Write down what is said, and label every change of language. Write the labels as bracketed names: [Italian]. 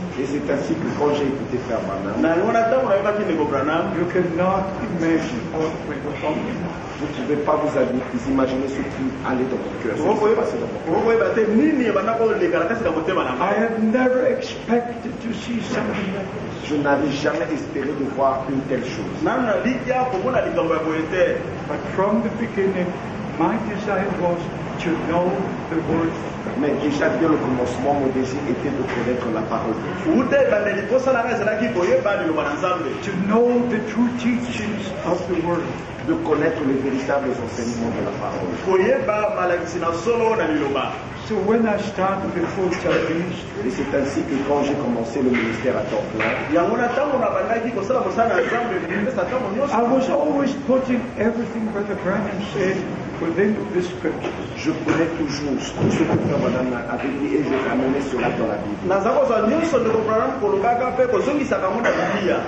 [French] et c'est ainsi que quand j'ai écouté Frère Branham, [English] you cannot imagine what went wrong. [French] Vous ne pouvez pas vous imaginer ce qui allait dans votre cœur. [English] I have never expected to see something like this. [French] Je n'avais jamais espéré de voir une telle chose. [English] But from the beginning, my desire was to know the word. [French] Mais déjà dès le commencement, mon désir était de connaître la parole de Dieu. [English] To know the true teachings of the word. [French] De connaître les véritables enseignements de la parole. [English] So when I started the full-time ministry, [French] et c'est ainsi que quand j'ai commencé le ministère à temps plein, [English] I was always putting everything Brother Branham said within the scriptures. [French] Je prenais toujours tout ce que Frère Branham avait dit et je ramenais cela dans la Bible.